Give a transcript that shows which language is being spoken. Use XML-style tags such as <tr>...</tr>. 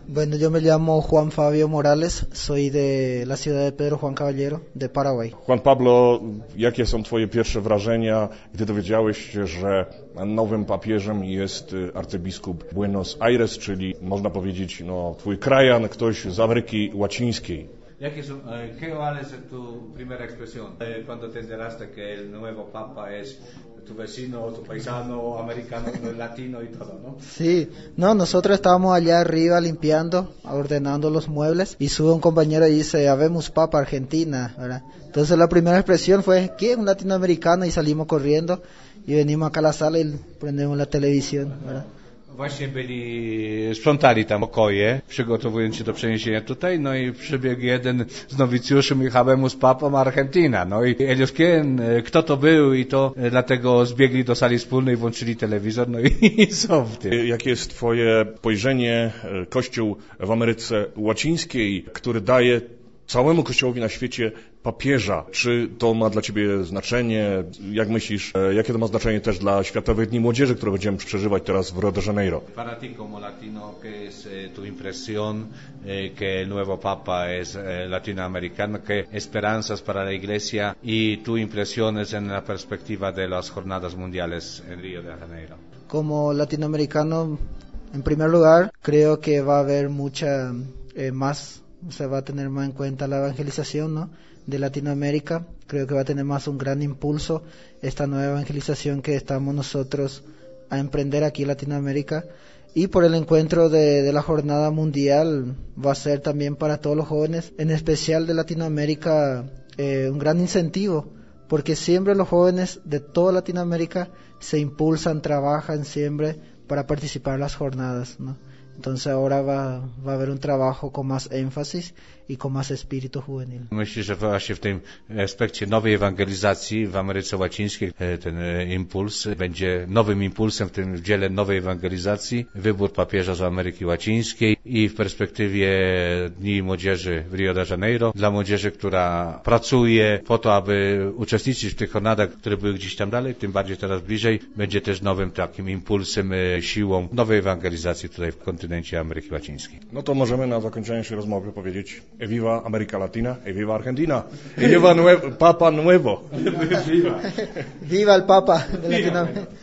<es>Bueno, yo me llamo Juan Fabio Morales, soy de la ciudad de Pedro Juan Caballero, de Paraguay.</es> <pl>Juan Pablo, jakie są Twoje pierwsze wrażenia, gdy dowiedziałeś się, że nowym papieżem jest arcybiskup Buenos Aires, czyli można powiedzieć, no, Twój krajan, ktoś z Ameryki Łacińskiej?</pl> <es>¿Qué vale ser tu primera expresión? Cuando te enteraste que el nuevo papa es tu vecino, tu paisano, americano, latino y todo, ¿no? Sí, no, nosotros estábamos allá arriba limpiando, ordenando los muebles y sube un compañero y dice,</es> <la>Habemus Papa Argentina,</la> <es>¿verdad? Entonces la primera expresión fue, ¿quién? Un latinoamericano y salimos corriendo y venimos acá a la sala y prendemos la televisión, ¿verdad?</es> <pl>Właśnie byli, sprzątali tam pokoje, przygotowując się do przeniesienia tutaj, no i przybiegł jeden z nowicjuszy, i</pl> <la>Habemus Papam Argentina.</la> <pl>No i Elios Kien, kto to był, i to dlatego zbiegli do sali wspólnej, włączyli telewizor, no i są w tym. Jakie jest Twoje spojrzenie, Kościół w Ameryce Łacińskiej, który daje całemu Kościołowi na świecie papieża? Czy to ma dla Ciebie znaczenie? Jak myślisz, jakie to ma znaczenie też dla Światowych Dni Młodzieży, które będziemy przeżywać teraz w Rio de Janeiro?</pl> <es>Para ti como latino, ¿qué es tu impresión que el nuevo Papa es latinoamericano? ¿Qué esperanzas para la Iglesia y tus impresiones en la perspectiva de las jornadas mundiales en Río de Janeiro? Como latinoamericano, en primer lugar, creo que va a haber mucha más. Se va a tener más en cuenta la evangelización, ¿no? De Latinoamérica. Creo que va a tener más un gran impulso esta nueva evangelización que estamos nosotros a emprender aquí en Latinoamérica. Y por el encuentro de la jornada mundial, va a ser también para todos los jóvenes, en especial de Latinoamérica, un gran incentivo, porque siempre los jóvenes de toda Latinoamérica se impulsan, trabajan siempre para participar en las jornadas, ¿no? Entonces ahora va a haber un trabajo con más énfasis y con más espíritu juvenil.</es> <pl>Myślę, że właśnie w tym aspekcie nowej ewangelizacji w Ameryce Łacińskiej ten impuls będzie nowym impulsem w tym dziele nowej ewangelizacji, wybór papieża z Ameryki Łacińskiej i w perspektywie Dni Młodzieży w Rio de Janeiro dla młodzieży, która pracuje po to, aby uczestniczyć w tych jornadach, które były gdzieś tam dalej, tym bardziej teraz bliżej, będzie też nowym takim impulsem, siłą nowej ewangelizacji tutaj w kontynencie Ameryki Łacińskiej. No to możemy na zakończenie naszej rozmowy powiedzieć:</pl> <es>Eviva America Latina, eviva Argentina, eviva nuevo, Papa Nuevo. Viva el Papa de Latinoamérica.</es>